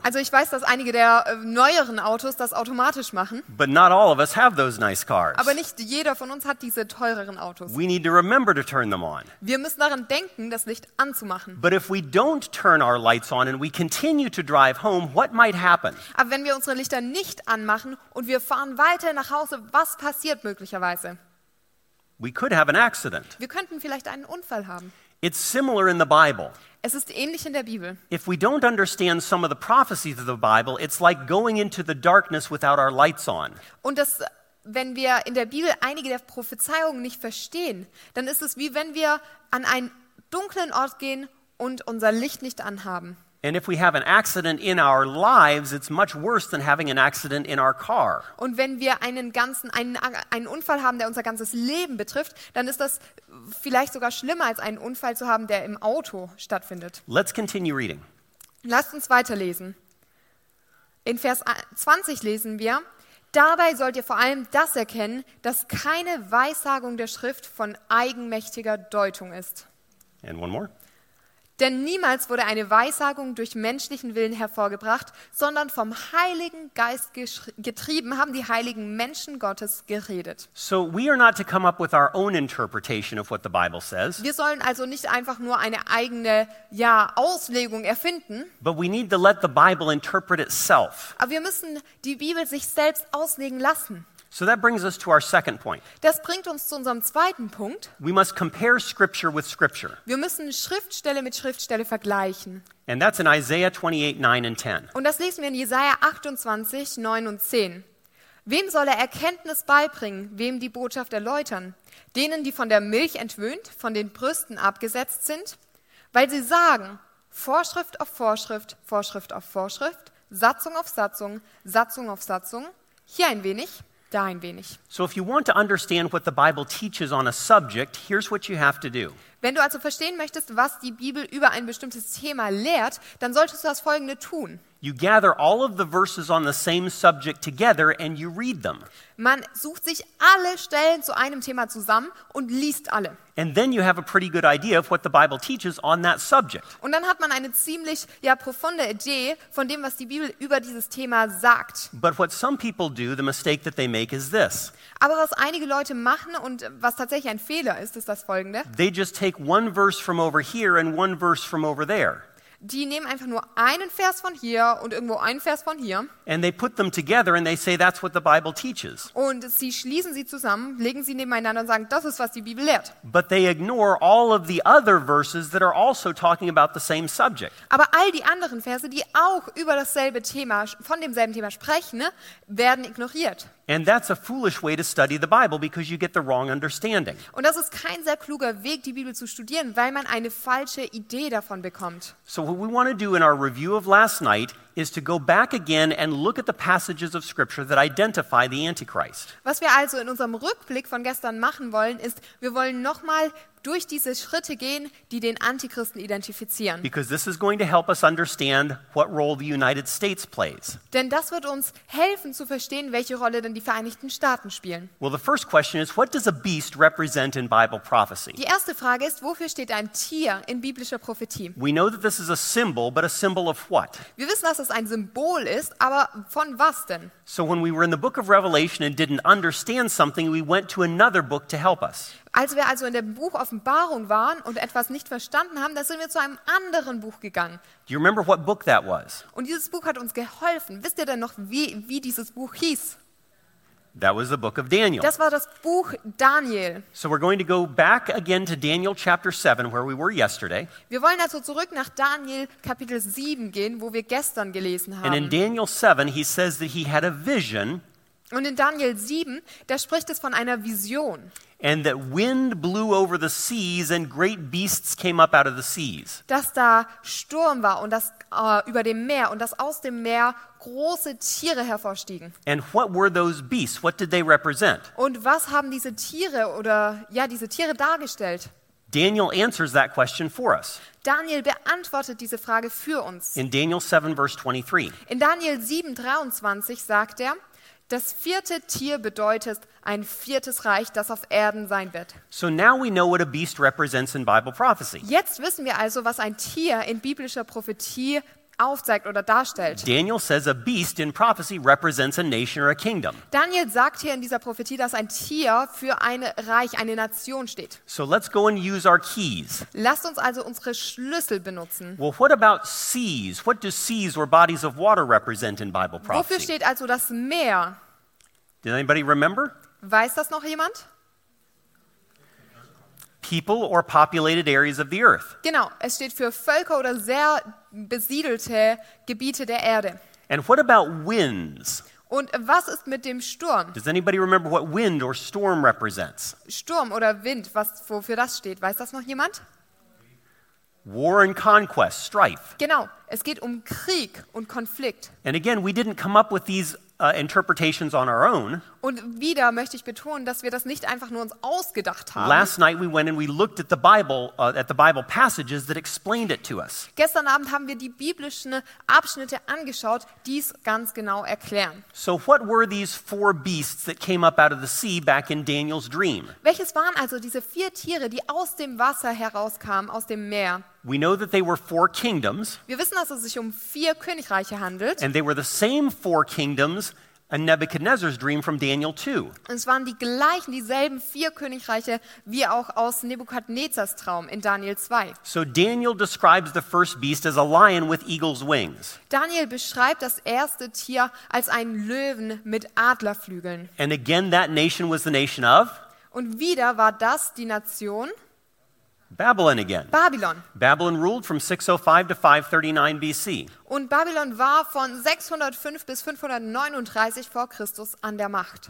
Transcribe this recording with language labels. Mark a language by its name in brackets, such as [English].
[German] Also ich weiß, dass einige der neueren Autos das automatisch machen. [English] But not all of us have those nice cars. [German] Aber nicht jeder von uns hat diese teureren Autos. [English] We need to remember to turn them on. [German] Wir müssen daran denken, das Licht anzumachen. [English] But if we don't turn our lights on and we continue to drive home, what might happen? [German] Aber wenn wir unsere Lichter nicht anmachen und wir fahren weiter nach Hause, was passiert möglicherweise? [English] We could have an accident. [German] Wir könnten vielleicht einen Unfall haben. [English] It's similar in the Bible. [German] Es ist ähnlich in der Bibel. [English] If we don't understand some of the prophecies of the Bible, it's like going into the darkness without our lights on. [German] Und das, wenn wir in der Bibel einige der Prophezeiungen nicht verstehen, dann ist es wie wenn wir an einen dunklen Ort gehen und unser Licht nicht anhaben. [English] And if we have an accident in our lives, it's much worse than having an accident in our car. [German] Und wenn wir einen Unfall haben, der unser ganzes Leben betrifft, dann ist das vielleicht sogar schlimmer als einen Unfall zu haben, der im Auto stattfindet. [English] Let's continue reading. [German] Lasst uns weiterlesen. In Vers 20 lesen wir: Dabei sollt ihr vor allem das erkennen, dass keine Weissagung der Schrift von eigenmächtiger Deutung ist. [English] And one more. [German] Denn niemals wurde eine Weissagung durch menschlichen Willen hervorgebracht, sondern vom Heiligen Geist getrieben haben die heiligen Menschen Gottes geredet. [English] So we are not to come up with our own interpretation of what the Bible says. [German] Wir sollen also nicht einfach nur eine eigene Auslegung erfinden. [English] But we need to let the Bible interpret itself. [German] Aber wir müssen die Bibel sich selbst auslegen lassen. [English] So that brings us to our second point. [German] Das bringt uns zu unserem zweiten Punkt. [English] We must compare scripture with scripture. [German] Wir müssen Schriftstelle mit Schriftstelle vergleichen. [English] And that's in Isaiah 28:9-10. [German] Und das lesen wir in Jesaja 28:9-10. Wem soll er Erkenntnis beibringen, wem die Botschaft erläutern? Denen, die von der Milch entwöhnt, von den Brüsten abgesetzt sind? Weil sie sagen, Vorschrift auf Vorschrift, Vorschrift auf Vorschrift, Satzung auf Satzung, Satzung auf Satzung, hier ein wenig. Da ein wenig. [English] So if you want to understand what the Bible teaches on a subject, here's what you have to do. [German] Wenn du also verstehen möchtest, was die Bibel über ein bestimmtes Thema lehrt, dann solltest du das Folgende tun. [English] You gather all of the verses on the same subject together and you read them. [German] Man sucht sich alle Stellen zu einem Thema zusammen und liest alle. [English] And then you have a pretty good idea of what the Bible teaches on that subject. [German] Und dann hat man eine ziemlich profunde Idee von dem, was die Bibel über dieses Thema sagt. [English] But what some people do, the mistake that they make is this. [German] Aber was einige Leute machen und was tatsächlich ein Fehler ist, ist das Folgende. [English] They just take one verse from over here and one verse from over there. [German] Die nehmen einfach nur einen Vers von hier und irgendwo einen Vers von hier. [English] And they put them together and they say that's what the Bible teaches. [German] Und sie schließen sie zusammen, legen sie nebeneinander und sagen, das ist was die Bibel lehrt. [English] But they ignore all of the other verses that are also talking about the same subject. [German] Aber all die anderen Verse, die auch über dasselbe Thema, von demselben Thema sprechen, werden ignoriert. [English] And that's a foolish way to study the Bible because you get the wrong understanding. [German] Und das ist kein sehr kluger Weg, die Bibel zu studieren, weil man eine falsche Idee davon bekommt. [English] So what we want to do in our review of last night is to go back again and look at the passages of scripture that identify the Antichrist. [German] Was wir also in unserem Rückblick von gestern machen wollen, ist, wir wollen nochmal durch diese Schritte gehen, die den Antichristen identifizieren. [English] Because this is going to help us understand what role the United States plays. [German] Denn das wird uns helfen zu verstehen, welche Rolle denn die Vereinigten Staaten spielen. [English] Well, the first question is, what does a beast represent in Bible prophecy? [German] Die erste Frage ist, wofür steht ein Tier in biblischer Prophetie? [English] We know that this is a symbol, but a symbol of what? [German] Wir wissen, dass es ein Symbol ist, aber von was denn? [English] So when we were in the book of Revelation and didn't understand something, we went to another book to help us. [German] Als wir also in dem Buch Offenbarung waren und etwas nicht verstanden haben, da sind wir zu einem anderen Buch gegangen. [English] Do you remember what book that was? [German] Und dieses Buch hat uns geholfen. Wisst ihr denn noch, wie dieses Buch hieß? [English] That was the book of Daniel. [German] Das war das Buch Daniel. [English] So we're going to go back again to Daniel chapter 7 where we were yesterday. [German] Wir wollen also zurück nach Daniel Kapitel 7 gehen, wo wir gestern gelesen haben. [English] And in Daniel 7 he says that he had a vision. [German] Und in Daniel 7, da spricht es von einer Vision. [English] And that wind blew over the seas and great beasts came up out of the seas. [German] Dass da Sturm war und das über dem Meer und dass aus dem Meer große Tiere hervorstiegen. [English] And what were those beasts? What did they represent? [German] Und was haben diese Tiere oder ja diese Tiere dargestellt? [English] Daniel answers that question for us. [German] Daniel beantwortet diese Frage für uns. [English] In Daniel 7 verse 23. [German] In Daniel 7 23 sagt er: Das vierte Tier bedeutet ein viertes Reich, das auf Erden sein wird. [English] So now we know what a beast represents in Bible prophecy. [German] Jetzt wissen wir also, was ein Tier in biblischer Prophetie aufzeigt oder darstellt. [English] Daniel says a beast in prophecy represents a nation or a kingdom. [German] Daniel sagt hier in dieser Prophetie, dass ein Tier für ein Reich, eine Nation steht. [English] So let's go and use our keys. [German] Lasst uns also unsere Schlüssel benutzen. [English] Well, what about seas? What do seas or bodies of water represent in Bible prophecy? [German] Wofür steht also das Meer? [English] Did anybody remember? [German] Weiß das noch jemand? [English] People or populated areas of the earth. [German] Genau, es steht für Völker oder sehr besiedelte Gebiete der Erde. [English] And what about winds? [German] Und was ist mit dem Sturm? [English] Does anybody remember what wind or storm represents? [German] Sturm oder Wind, was wofür das steht, weiß das noch jemand? [English] War and conquest, strife. [German] Genau, es geht um Krieg und Konflikt. [English] And again, we didn't come up with these interpretations on our own. [German] Und wieder möchte ich betonen, dass wir das nicht einfach nur uns ausgedacht haben. [English] Last night we went and we looked at the Bible passages that explained it to us. [German] Gestern Abend haben wir die biblischen Abschnitte angeschaut, die es ganz genau erklären. [English] So what were these four beasts that came up out of the sea back in Daniel's dream? [German] Welches waren also diese vier Tiere, die aus dem Wasser herauskamen, aus dem Meer? [English] We know that they were four kingdoms. [German] Wir wissen, dass es sich um vier Königreiche handelt. [English] And they were the same four kingdoms in Nebuchadnezzar's dream from Daniel 2. [German] Es waren die gleichen, dieselben vier Königreiche wie auch aus Nebukadnezars Traum in Daniel 2. [English] So Daniel describes the first beast as a lion with eagle's wings. [German] Daniel beschreibt das erste Tier als einen Löwen mit Adlerflügeln. [English] And again that nation was the nation of? [German] Und wieder war das die Nation [English] Babylon again. [German] Babylon. [English] Babylon ruled from 605 to 539 BC. [German] Und Babylon war von 605 bis 539 vor Christus an der Macht.